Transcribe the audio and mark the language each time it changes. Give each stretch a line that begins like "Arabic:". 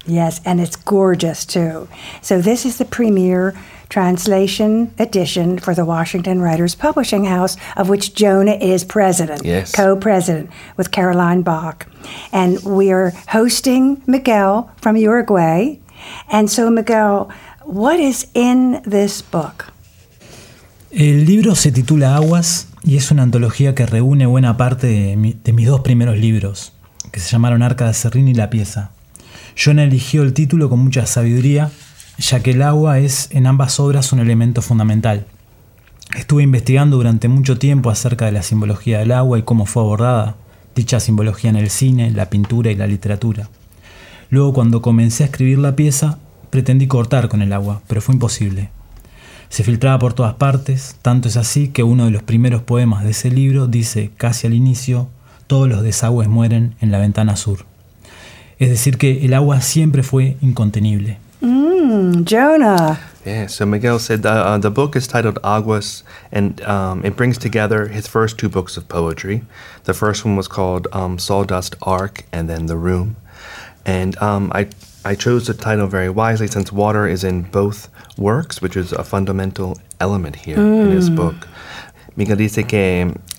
English: Yes, and it's gorgeous too. So this is the premier translation edition for the Washington Writers Publishing House, of which Jonah is president. Yes. Co-president with Caroline Bach. And we are hosting Miguel from Uruguay. And so Miguel, what is in this book?
Spanish: El libro se titula Aguas y es una antología que reúne buena parte de mis dos primeros libros, que se llamaron Arca de Serrín y La Pieza. Jonah eligió el título con mucha sabiduría, ya que el agua es en ambas obras un elemento fundamental. Estuve investigando durante mucho tiempo acerca de la simbología del agua y cómo fue abordada dicha simbología en el cine, la pintura y la literatura. Luego, cuando comencé a escribir la pieza, pretendí cortar con el agua, pero fue imposible. Se filtraba por todas partes, tanto es así que uno de los primeros poemas de ese libro dice, casi al inicio, «Todos los desagües mueren en la ventana sur». Es decir, que el agua siempre fue incontenible. Jonah.
English: Yeah, so Miguel said the book is titled Aguas, and it brings together his first two books of poetry. The first one was called Sawdust Ark, and then The Room. And I chose the title very wisely since water is in both works, which is a fundamental element here in his book.
Spanish: Miguel dice que...